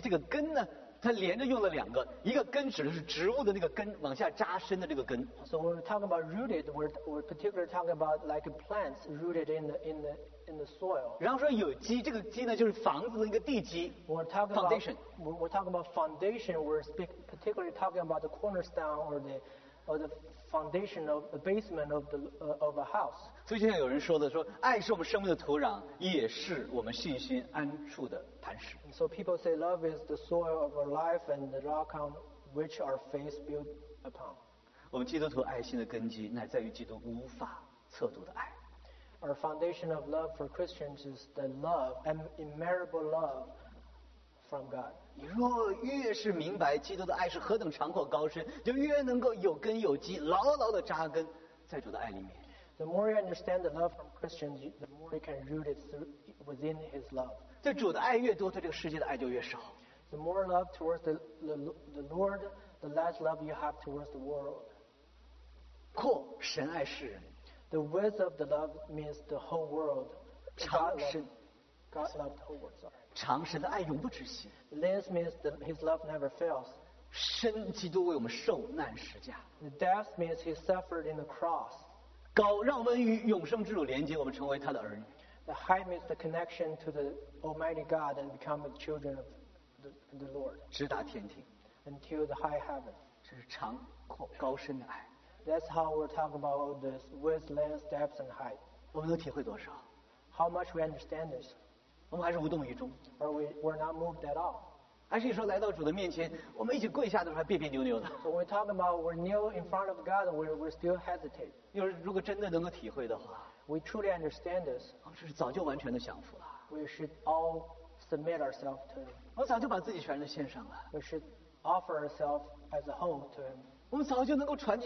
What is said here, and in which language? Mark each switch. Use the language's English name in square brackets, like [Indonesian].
[Chinese] 这个根呢，它连着用了两个，一个根指的是植物的那个根，往下扎深的这个根。 [English] So we're talking about rooted. We're particularly talking about like plants rooted in the soil. [Chinese] 然后说有基，这个基呢，就是房子的那个地基。 [English] Foundation. We're talking about foundation. We're particularly talking about the cornerstone or the foundation of the basement of a house. [Chinese] 所以就像有人说的，说爱是我们生命的土壤，也是我们信心安处的磐石。 [English] So people say love is the soil of our life and the rock on which our faith built upon. [Chinese] 我们基督徒爱心的根基乃在于基督无法测度的爱。 [English] Our foundation of love for Christians is the love, an immeasurable love from God. [Chinese] 你若越是明白基督的爱是何等长阔高深，就越能够有根有基，牢牢地扎根在主的爱里面。 [English] The more you understand the love from Christians, the more you can root it within His love. [Chinese] 对主的爱越多，对这个世界的爱就越少。 [English] The more love towards the Lord, the less love you have towards the world. [Chinese] 阔，神爱世人。 [English] The width of the love means the whole world. [Chinese] 长深。 [English] God loved the whole world. Sorry. [Chinese] 长神的爱永不止息。 [English] This means that His love never fails. [Chinese] 深基督为我们受难十架。 [English] The depth means He suffered in the cross. [Chinese] 高，让我们与永生之主连接，我们成为他的儿女。 [English] The height means the connection to the Almighty God and become the children of the Lord. [Chinese] 直达天庭. [English] Until the high heaven. [Chinese] 这是长阔高深的爱. [English] That's how we're talking about this width, length, depth, and height. [Chinese] 我们都体会多少? [English] How much we understand this? [Chinese] 我们还是无动于衷. [English] Or we're not moved at all. [Chinese] 还是说来到主的面前, 我们一起跪下的时候还别别扭扭的. [English] So we're talking about we're kneel in front of God and we're still hesitate. [Chinese] 如果真的能够体会的话, [English] we truly understand this. [Chinese] 这是早就完全的降服了. [English] We should all submit ourselves to Him. [Chinese] 我早就把自己全都献上了. [English] We should offer ourselves as a whole to Him.